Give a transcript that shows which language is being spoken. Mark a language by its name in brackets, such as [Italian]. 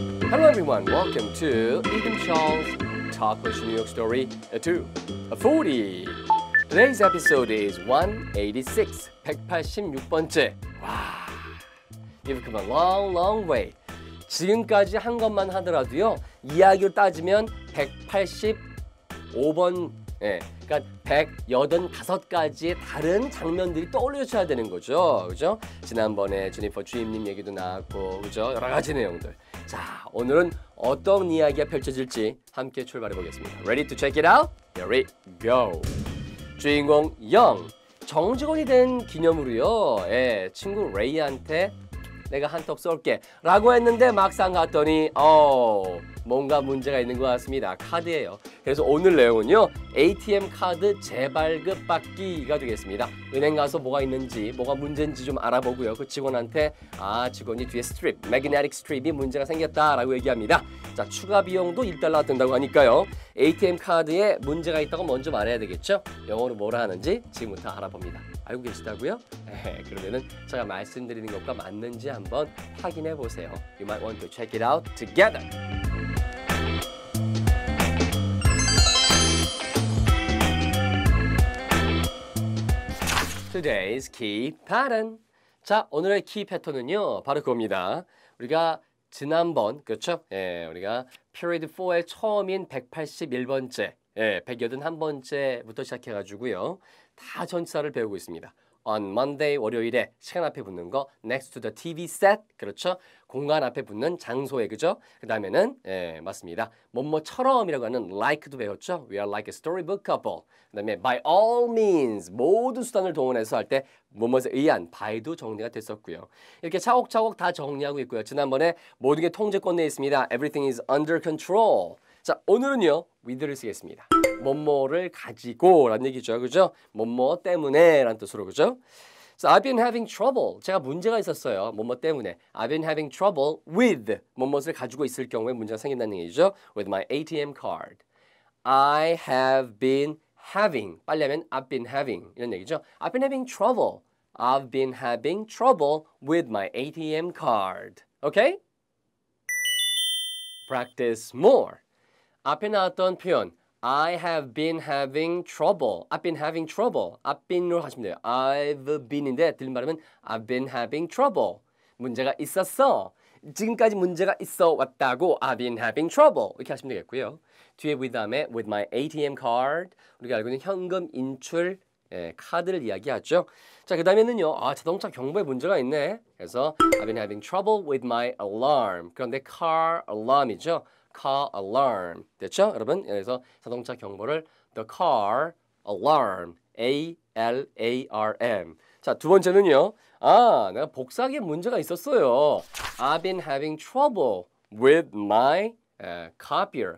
[English] Hello everyone, welcome to Ethan Chong's Talk with New York Story 2:40. Today's episode is 186, [Korean] 186번째. [English] Wow, you've come a long, long way. [Korean] 지금까지 한 것만 하더라도요, 이야기로 따지면 185번, 예, 그러니까 185가지의 다른 장면들이 떠올려져야 되는 거죠, 그죠? 지난번에 주니퍼 주임님 얘기도 나왔고, 그죠? 여러 가지 내용들. 자, 오늘은 어떤 이야기가 펼쳐질지 함께 출발해보겠습니다. [English] Ready to check it out? Here we go! [Korean] 주인공 영, 정직원이 된 기념으로요, 예, 친구 레이한테 내가 한턱 쏠게 라고 했는데 막상 갔더니 뭔가 문제가 있는 것 같습니다. 카드예요. 그래서 오늘 내용은요, ATM 카드 재발급 받기가 되겠습니다. 은행 가서 뭐가 있는지, 뭐가 문제인지 좀 알아보고요. 그 직원한테 직원이 뒤에 스트립, 매그네틱 스트립이 문제가 생겼다라고 얘기합니다. 자, 추가 비용도 1달러 든다고 하니까요, ATM 카드에 문제가 있다고 먼저 말해야 되겠죠? 영어로 뭐라 하는지 지금부터 알아봅니다. 알고 계시다고요? 네, 그러면은 제가 말씀드리는 것과 맞는지 한번 확인해 보세요. [English] You might want to check it out together. Today's key pattern. [Korean] 자, 오늘의 key pattern은요, 바로 그겁니다. 우리가 지난번, 그렇죠? 예, 우리가 period 4의 처음인 181번째, 예, 181번째부터 시작해가지고요, 다 전치사를 배우고 있습니다. [English] On Monday, [Korean] 월요일에 시간 앞에 붙는 거, [English] next to the TV set, [Korean] 그렇죠? 공간 앞에 붙는 장소에, 그죠? 그 다음에는, 예, 맞습니다. 뭐뭐처럼이라고 하는 like도 배웠죠? [English] We are like a storybook couple. [Korean] 그 다음에 [English] by all means, [Korean] 모든 수단을 동원해서 할 때 뭐뭐에 의한 by도 정리가 됐었고요. 이렇게 차곡차곡 다 정리하고 있고요. 지난번에 모든 게 통제권 내에 있습니다. [English] Everything is under control. [Korean] 자, 오늘은요, with를 쓰겠습니다. 뭐뭐를 가지고 라는 얘기죠, 그죠? 뭐뭐 때문에 라는 뜻으로, 그죠? [English] So I've been having trouble. [Korean] 제가 문제가 있었어요, 뭐뭐 때문에. [English] I've been having trouble with [Korean] 뭐뭐를 가지고 있을 경우에 문제가 생긴다는 얘기죠. [English] With my ATM card. I have been having. [Korean] 빨리 하면 [English] I've been having [Korean] 이런 얘기죠. [English] I've been having trouble. I've been having trouble with my ATM card. Okay? Practice more. [Korean] 앞에 나왔던 표현, [English] I have been having trouble. I've been having trouble. [Korean] I've been으로 하시면 돼요. [English] I've been인데 [Korean] 들린 발음은 [English] I've been having trouble. [Korean] 문제가 있었어. 지금까지 문제가 있어 왔다고 [English] I've been having trouble. [Korean] 이렇게 하시면 되겠고요. [English] 뒤에 with 다음에 with my ATM card. [Korean] 우리가 알고 있는 현금 인출, 예, 카드를 이야기하죠. 자, 그 다음에는요. 자동차 경보에 문제가 있네. [English] 그래서 I've been having trouble with my alarm. [Korean] 그런데 car alarm이죠. [English] Car alarm. [Korean] 됐죠, 여러분? 그래서 자동차 경보를 The car alarm. A-L-A-R-M. 자, 두 번째는요. 내가 복사기에 문제가 있었어요. [English] I've been having trouble with my copier.